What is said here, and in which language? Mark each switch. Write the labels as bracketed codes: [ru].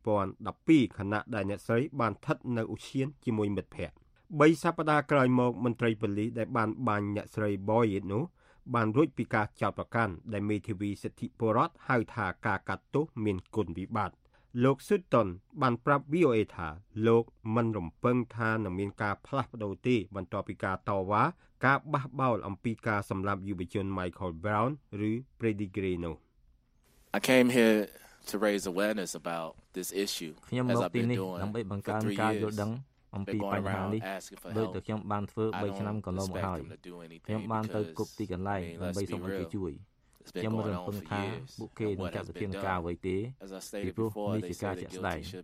[km] 2012ខណៈដែលអ្នកស្រីបានស្ថិតនៅឧឈានជាមួយមិត្តភ័ក្ដិ3សប្តាហ៍ក្រោយមកមន្ត្រីប៉ូលីសដែលបានបាញ់អ្នកស្រីបយនោះបានរួចពីការចាប់ប្រកាន់ដែលមេធាវីសិទ្ធិពលរដ្ឋហៅថាការកាត់ទោសមានគុណវិបត្តិលោកស៊ុតតុនបានប្រាប់ VOA ថាលោកមិនរំពឹងថានឹងមានការផ្លាស់ប្តូរទេបន្ទាប់ពីការតវ៉ាការបះបោលអំពីការសម្លាប់យុវជន Michael Brown ឬ Brady Gray នោះ [en] I came hereto raise awareness about this issue [km] ខ្ញុំមកទីនេះដើម្បីបង្កើនការយល់ដឹងអំពីបញ្ហានេះដោយតែខ្ញុំបានធ្វើ3ឆ្នាំកន្លងមកហើយខ្ញុំបានទៅគប់ទីកន្លែងដើម្បីសុំឲ្យគេជួយខ្ញុំរំពឹងថាពួកគេនឹងចាត់វិធានការអ្វីទេពីព្រោះនេះជាការជាក់ស្ដែង